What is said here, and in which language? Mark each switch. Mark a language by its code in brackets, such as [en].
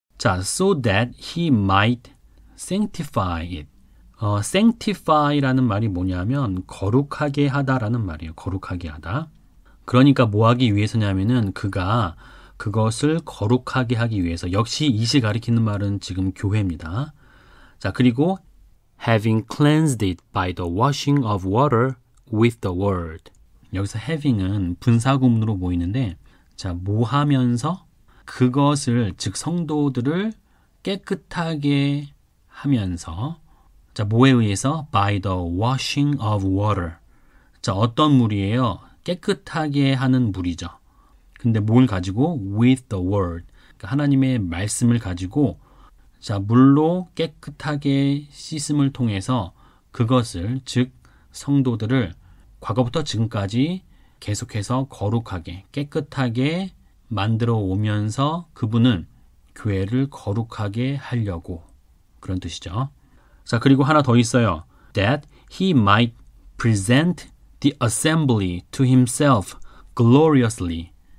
[en] 자, so that he might sanctify it. [ko] sanctify라는 말이 뭐냐면 거룩하게 하다라는 말이에요. 거룩하게 하다. 그러니까 뭐 하기 위해서냐면은 그가 그것을 거룩하게 하기 위해서 역시 이시 가리키는 말은 지금 교회입니다. [en] 자, 그리고 having cleansed it by the washing of water with the word. [ko] 여기서 having은 분사구문으로 보이는데 자, 뭐 하면서 그것을 즉 성도들을 깨끗하게 하면서 자, 뭐에 의해서 [en] by the washing of water. [ko] 자, 어떤 물이에요? 깨끗하게 하는 물이죠. 근데 뭘 가지고? [en] With the word. [ko] 그러니까 하나님의 말씀을 가지고, 자, 물로 깨끗하게 씻음을 통해서 그것을, 즉, 성도들을 과거부터 지금까지 계속해서 거룩하게, 깨끗하게 만들어 오면서 그분은 교회를 거룩하게 하려고. 그런 뜻이죠. 자, 그리고 하나 더 있어요. [en] That he might present The assembly to himself gloriously.